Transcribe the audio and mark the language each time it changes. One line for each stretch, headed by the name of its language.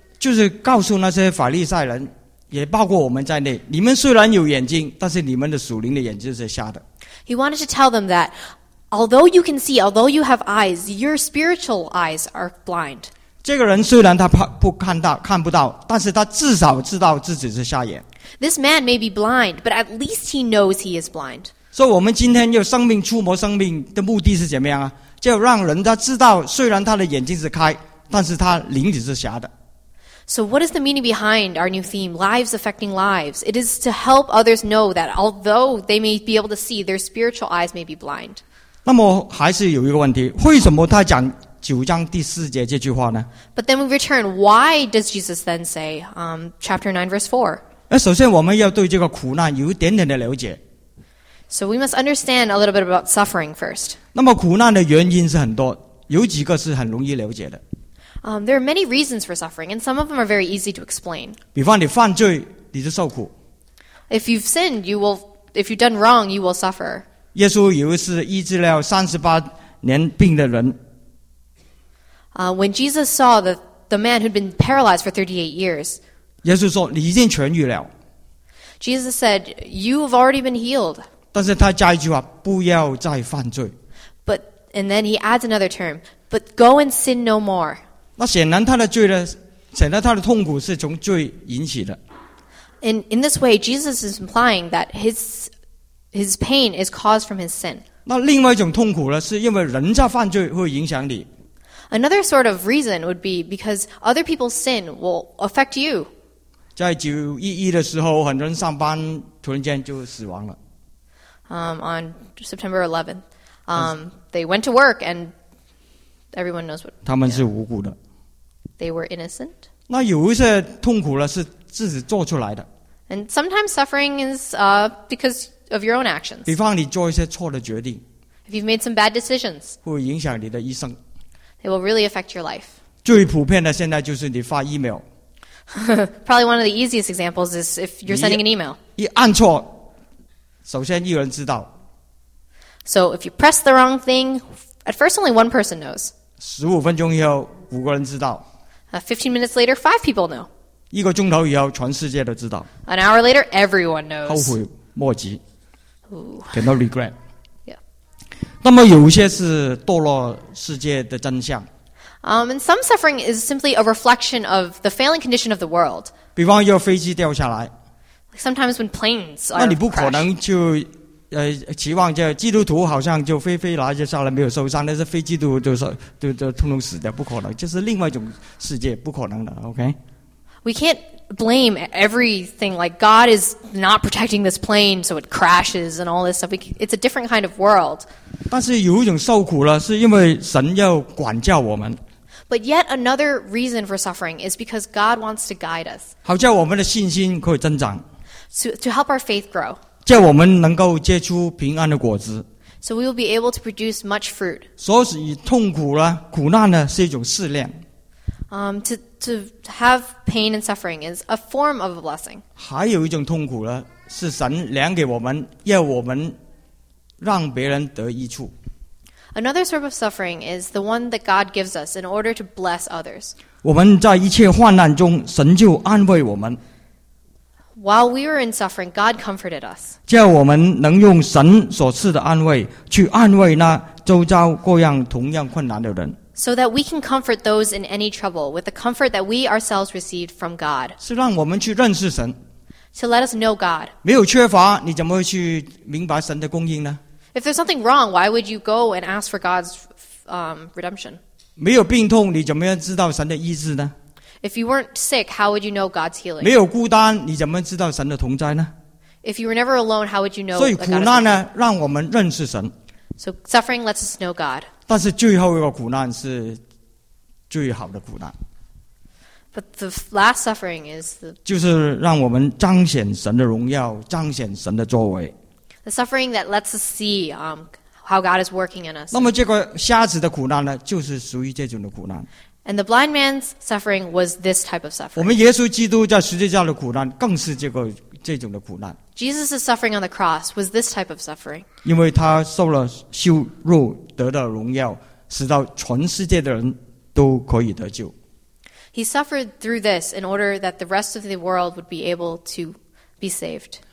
Chinese: 就是告诉那些法利赛人，也包括我们在内，你们虽然有眼睛，但是你们的属灵的眼睛是瞎的。
English: He wanted to tell them that,Although you can see, although you have eyes, your spiritual eyes are blind.
Chinese: 这个人虽然他不看到，看不到，但是他至少知道自己是瞎眼。
English: This man may be blind, but at least he knows he is blind.
Chinese: 所以我们今天要生命触摸生命的目的是怎么样啊？就让人家知道，虽然他的眼睛是开，但是他灵里是瞎的。
English: So what is the meaning behind our new theme, Lives Affecting Lives? It is to help others know that although they may be able to see, their spiritual eyes may be blind.
Chinese: 那么还是有一个问题，为什么他讲九章第四节这句话呢
English: ？But then we return. Why does Jesus then say, chapter 9 verse 4?
Chinese: 首先我们要对这个苦难有一点点的了解。
English: So we must understand a little bit about suffering first.
Chinese: 那么苦难的原因是很多，有几个是很容易了解的。
English: There are many reasons for suffering, and some of them are very easy to explain.
Chinese: 比方你犯罪，你就受苦。
English: If you've sinned, you will. If you've done wrong, you will suffer.
Chinese: 耶稣有一次医治了38年病的人。
English: When Jesus saw the man who'd been paralyzed for 38 years,
Chinese: 耶稣说你已经痊愈了。
English: Jesus said, "You have already been healed."
Chinese: 但是他加一句话，不要再犯罪。
English: But and then he adds another term, "But go and sin no more."
Chinese: 那显然他的罪呢？显然他的痛苦是从罪引起的。
English: In this way, Jesus is implying that his pain is caused from his sin.
Chinese: 那另外一种痛苦呢？是因为人在犯罪会影响你。
English: Another sort of reason would be because other people's sin will affect you.
Chinese: 在911的时候，很多人上班突然间就死亡了。
English: On September 11th, they went to work and everyone knows what.
Chinese: 他们是无辜的。
English: They were innocent.
Chinese: 那有一些痛苦呢，是自己做出来的。
English: And sometimes suffering is because of your own actions.
Chinese: 比方你做一些错的决定。
English: If you've made some bad decisions.
Chinese: 会影响你的一生。
English: It will really affect your life.
Chinese: 最普遍的现在就是你发 email.
English: Probably one of the easiest examples is if you're sending an email.
Chinese: 一按错，首先一人知道。
English: So if you press the wrong thing, at first only one person knows.
Chinese: 15分钟以后，五个人知道。
English: 15 minutes later, 5 people know.
Chinese: 一个钟头以后，全世界都知道。
English: An hour later, everyone knows.
Chinese: 后悔莫及。 Ooh.
English: Cannot regret.
Chinese: 那么有些是堕落世界的真相。
English: And some suffering is simply a reflection of the failing condition of the world.
Chinese: 比方要飞机掉下来。
English: Like、sometimes when planes are crashed.
Chinese: 那你不可能就期望着基督徒好像就飞飞拿着下来没有受伤，但是非基督徒就通通死掉，不可能，这是另外一种世界，不可能的。
English: OK. We can't blame everything. Like God is not protecting this plane, so it crashes and all this stuff. It's a different kind of world.
Chinese: 但是有一种受苦了，是因为神要管教我们。
English: But yet another reason for suffering is because God wants to guide us.
Chinese: 好叫我们的信心可以增长。
English: To help our faith grow.
Chinese: 叫我们能够结出平安的果子。
English: So we will be able to produce much fruit.
Chinese: 所以痛苦呢，苦难呢，是一种试炼。
English: To have pain and suffering is a form of a blessing.
Chinese: 还有一种痛苦呢，是神量给我们，要我们。让别人得益处。
English: Another sort of suffering is the one that God gives us in order to bless others.
Chinese: 我们在一切患难中，神就安慰我们。
English: While we were in suffering, God comforted us.
Chinese: 叫我们能用神所赐的安慰去安慰那周遭各样同样困难的人。
English: So that we can comfort those in any trouble with the comfort that we ourselves received from God.
Chinese: 是让我们去认识神。
English: To let us know God.
Chinese: 没有缺乏，你怎么会去明白神的供应呢？
English: If there's something wrong, why would you go and ask for God's redemption?
Chinese: 没有病痛，你怎么样知道神的医治呢？
English: If you weren't sick, how would you know God's healing?
Chinese: 没有孤单，你怎么样知道神的同在呢？
English: If you were never alone, how would you know God's healing?
Chinese: 所以苦难呢，让我们认识神。
English: So suffering lets us know God.
Chinese: 但是最后一个苦难是最好的苦难。
English: But the last suffering is the
Chinese: 就是让我们彰显神的荣耀，彰显神的作为。
English: The suffering that lets us see how God is working in us.
Chinese: 那么这个瞎子的苦难呢，就是属于这种的苦难。
English: And the blind man's suffering was this type of suffering.
Chinese: 我们耶稣基督在十字架的苦难更是这种的苦难。
English: Jesus' suffering on the cross was this type of suffering.
Chinese: 因为他受了羞辱，得到荣耀，使到全世界的人都可以得救。
English: He suffered through this in order that the rest of the world would be able to be saved.